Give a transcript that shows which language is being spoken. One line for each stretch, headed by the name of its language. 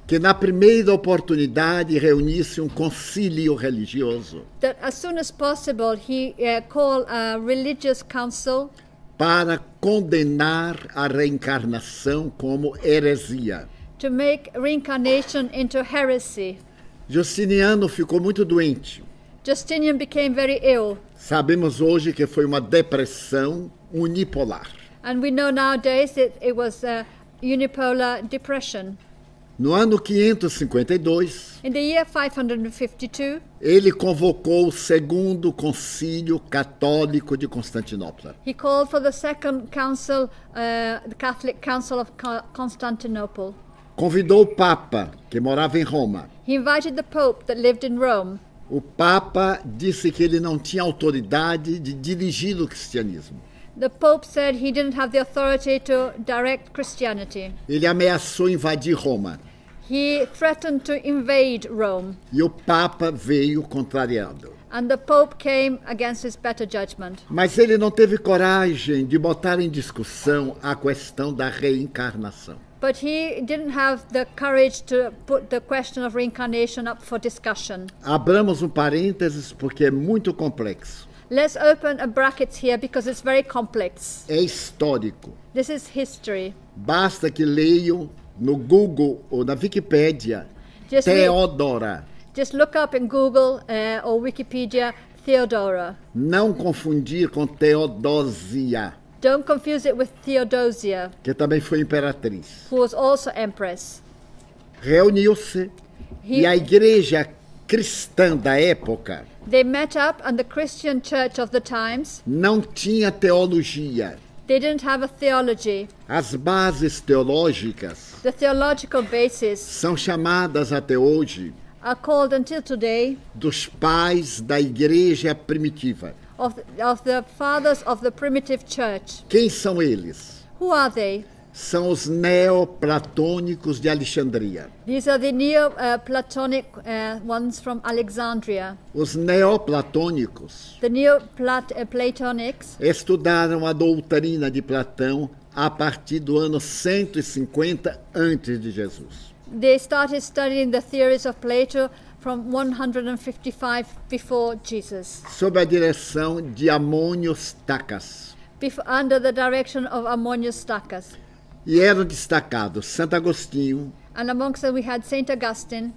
Portuguese: Que na primeira oportunidade reunisse um concílio religioso.
English: That as soon as possible he call a religious council.
Portuguese: Para condenar a reencarnação como heresia.
English: To make reincarnation into heresy.
Portuguese: Justiniano ficou muito doente.
English: Justinian became very ill.
Portuguese: Sabemos hoje que foi uma depressão unipolar.
English: And we know nowadays it was a unipolar depression.
Portuguese: No ano 552.
English: In the year 552.
Portuguese: Ele convocou o segundo concílio católico de Constantinopla.
English: He called for the second council, the Catholic Council of Constantinople.
Portuguese: Convidou o Papa, que morava em Roma.
English: He invited the Pope that lived in Rome.
Portuguese: O Papa disse que ele não tinha autoridade de dirigir o cristianismo.
English: The Pope said he didn't have the authority to direct Christianity.
Portuguese: Ele ameaçou invadir Roma.
English: He threatened to invade Rome.
Portuguese: E o Papa veio contrariado.
English: And the Pope came against his better judgment.
Portuguese: Mas ele não teve coragem de botar em discussão a questão da reencarnação.
English: But he didn't have the courage to put the question of reincarnation up for discussion.
Portuguese: Abramos um parênteses porque é muito complexo.
English: Let's open a bracket here because it's very complex.
Portuguese: É histórico.
English: This is history.
Portuguese: Basta que leiam no Google ou na Wikipedia Theodora.
English: Just look up in Google or Wikipedia Theodora.
Portuguese: Não confundir com Teodosia.
English: Don't confuse it with Theodosia.
Portuguese: Que também foi imperatriz.
English: Who was also empress.
Portuguese: Reuniu-se e a igreja cristã da época.
English: They met up and the Christian church of the times.
Portuguese: Não tinha teologia.
English: They didn't have a theology.
Portuguese: As bases teológicas.
English: The theological bases.
Portuguese: São chamadas até hoje.
English: Are called until today.
Portuguese: Dos pais da igreja primitiva.
English: Of the fathers of the primitive church.
Portuguese: Quem são eles?
English: Who are they?
Portuguese: São os neoplatônicos de Alexandria.
English: These are the neoplatonic ones from Alexandria.
Portuguese: Os neoplatônicos.
English: The neoplatonics.
Portuguese: Estudaram a doutrina de Platão a partir do ano 150 antes de Jesus.
English: They started studying the theories of Plato from 155 before Jesus.
Portuguese: Sob a direção de Amônios Takas.
English: Under the direction of Amônios Takas.
Portuguese: E eram destacados Santo Agostinho.
English: And amongst them we had Saint Augustine.